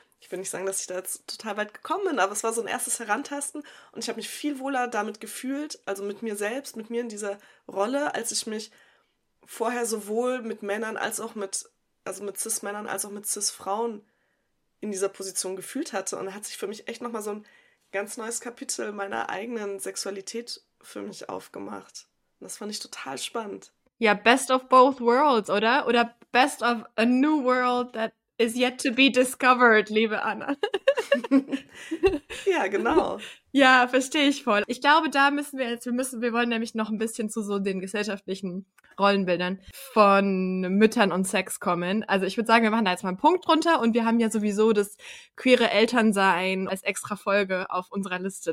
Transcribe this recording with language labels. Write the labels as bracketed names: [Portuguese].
[German] Ich will nicht sagen, dass ich da jetzt total weit gekommen bin, aber es war so ein erstes Herantasten und ich habe mich viel wohler damit gefühlt, also mit mir selbst, mit mir in dieser Rolle, als ich mich vorher sowohl mit Männern als auch mit Cis-Männern als auch mit Cis-Frauen in dieser Position gefühlt hatte. Und da hat sich für mich echt nochmal so ein ganz neues Kapitel meiner eigenen Sexualität für mich aufgemacht. Und das fand ich total spannend. [English] Ja, best of both worlds, oder? [German] Oder [English] best of a new world that is yet to be discovered, liebe Anna. [German] Ja, genau. Ja, verstehe ich voll. Ich glaube, da müssen wir jetzt, wir wollen nämlich noch ein bisschen zu so den gesellschaftlichen Rollenbildern von Müttern und Sex kommen. Also ich würde sagen, wir machen da jetzt mal einen Punkt drunter und wir haben ja sowieso das queere Elternsein als extra Folge auf unserer Liste.